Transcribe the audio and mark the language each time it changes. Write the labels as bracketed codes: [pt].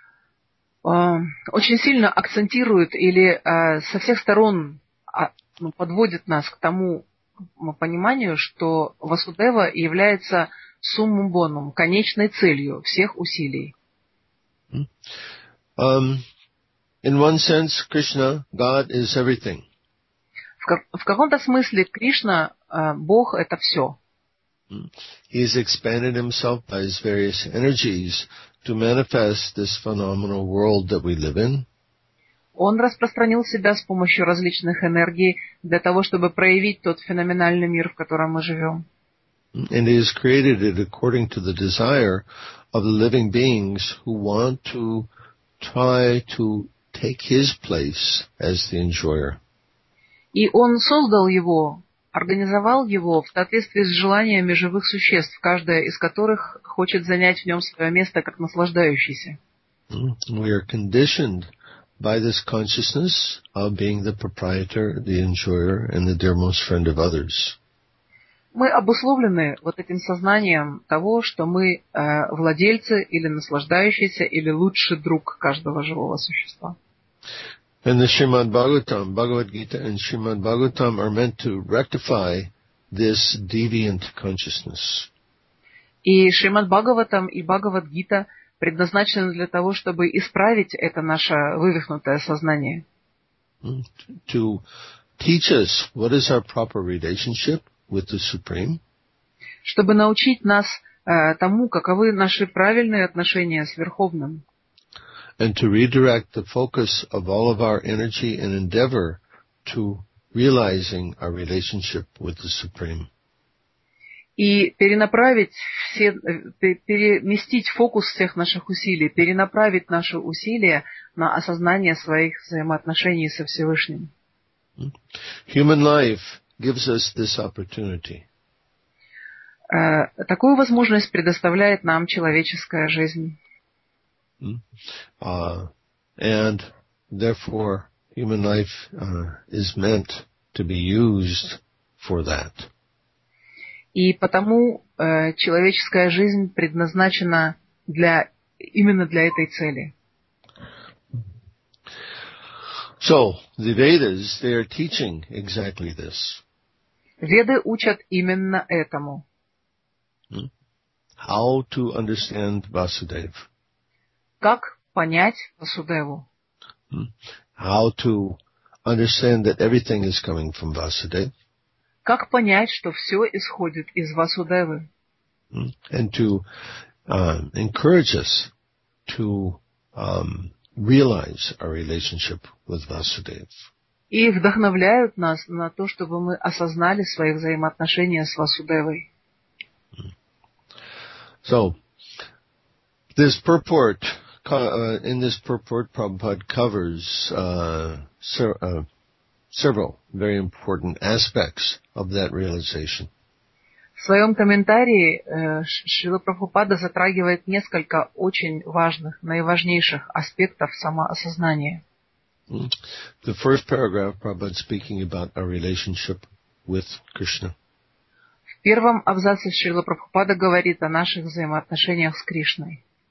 [ru] Этот стих очень сильно акцентирует или со всех сторон подводит нас к тому пониманию, что Васудева является суммум бонум, конечной целью всех усилий. [en] In one sense, Krishna, God is everything. [ru] В каком-то смысле Кришна, Бог, это все. [en] He has expanded himself by his various energies to manifest this phenomenal world that we live in. [ru] Он распространил себя с помощью различных энергий для того, чтобы проявить тот феноменальный мир, в котором мы живем. [en] And he has created it according to the desire of the living beings who want to try to take his place as the enjoyer. [ru] И он создал его, организовал его в соответствии с желаниями живых существ, каждая из которых хочет занять в нем свое место как наслаждающийся. [en] We are conditioned by this consciousness of being the proprietor, the enjoyer, and the dearmost friend of others. [ru] Мы обусловлены вот этим сознанием того, что мы владельцы или наслаждающиеся, или лучший друг каждого живого существа. [en] And the Srimad Bhagavatam, Bhagavad Gita and Srimad Bhagavatam are meant to rectify this deviant consciousness. [ru] И Шримад Бхагаватам и Бхагавад Гита предназначены для того, чтобы исправить это наше вывихнутое сознание. [en] To teach us what is our proper relationship with the Supreme. [ru] Чтобы научить нас тому, каковы наши правильные отношения с Верховным. [en] And to redirect the focus of all of our energy and endeavor to realizing our relationship with the Supreme. [ru] И перенаправить все, переместить фокус всех наших усилий, перенаправить наши усилия на осознание своих взаимоотношений со Всевышним. [en] Human life gives us this opportunity. [ru] Такую возможность предоставляет нам человеческая жизнь. [en] And therefore, human life is meant to be used for that. [ru] И потому человеческая жизнь предназначена для именно для этой цели. [en] So the Vedas, they are teaching exactly this. [ru] Веды учат именно этому. [en] How to understand Vasudev? [ru] Как понять Васудеву? [en] How to understand that everything is coming from Vasudev? [ru] Как понять, что все исходит из Васудевы? [en] And to encourage us to realize our relationship with Vasudev. [ru] И вдохновляют нас на то, чтобы мы осознали свои взаимоотношения с Васудевой. [en] So, this purport, in this purport, Prabhupada covers several very important aspects of that realization. [ru] В своем комментарии Шрила Прабхупада затрагивает несколько очень важных, наиважнейших аспектов самоосознания. [en] The first paragraph, Prabhupada speaking about our relationship with Krishna. [ru] В первом абзаце Шрила Прабхупада говорит о наших взаимоотношениях с Кришной.